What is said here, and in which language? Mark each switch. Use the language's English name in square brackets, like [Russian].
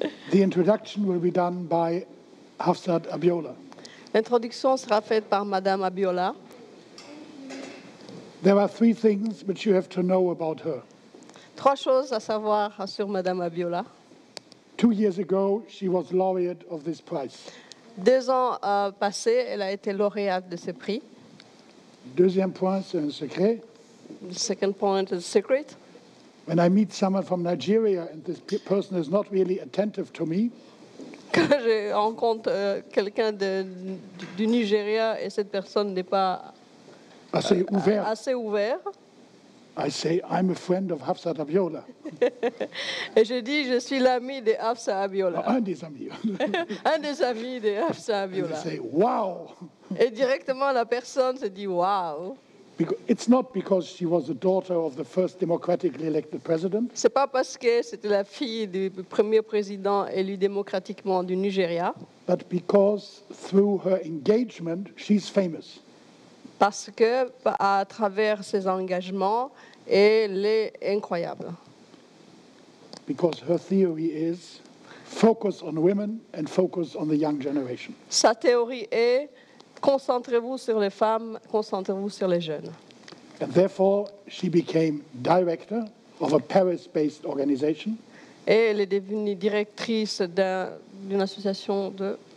[English] The introduction will be done by Hafsat Abiola. [French] L'introduction sera faite par Madame Abiola. [English] There are three things which you have to know about her. [French] Trois choses à savoir sur Madame Abiola. [English] 2 years ago, she was laureate of this prize. [French] Deux ans passés, elle a été lauréate de ce prix. Deuxième point, c'est un secret. [English] The second point is a secret. When I meet someone from Nigeria and this person is not really attentive to me. [French] Quand je rencontre quelqu'un du Nigeria et cette personne n'est pas assez ouvert. Assez ouvert. [English] I say I'm a friend of Hafsat Abiola. [French] Et je dis je suis l'ami de Hafsat Abiola. Oh, un des amis. Un des amis de Hafsat Abiola. [English] And they say wow. [French] Et directement la personne se dit wow. [English] Because it's not because she was the daughter of the first democratically elected president. [French] C'est pas parce que c'était la fille du premier président élu démocratiquement du Nigeria. [English] But because through her engagement she's famous. [French] Parce que à travers ses engagements, elle est incroyable. [English] Because her theory is focus on women and focus on the young generation. [French] Sa théorie est concentrez-vous sur les femmes, concentrez-vous sur les jeunes. [English] And therefore, she became director of a Paris-based organization. [French] Et elle est devenue directrice d'une association de